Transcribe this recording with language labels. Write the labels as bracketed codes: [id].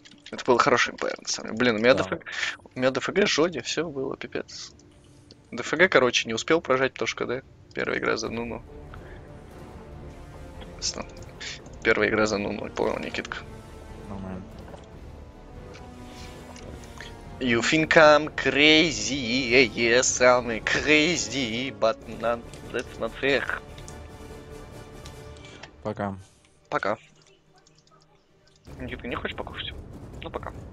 [ru] Это был хороший Empire, на самом деле. Блин, у меня ДФГ жоди, все было, пипец. ДФГ, короче, не успел прожать, потому что, да, первая игра за Нуну. Первая игра за 0-0, понял, Никитка. [en] You think I'm crazy, yes, I'm crazy, but not, that's not fair. [ru] Пока. Пока. Никитка, не хочешь покушать? Ну, пока.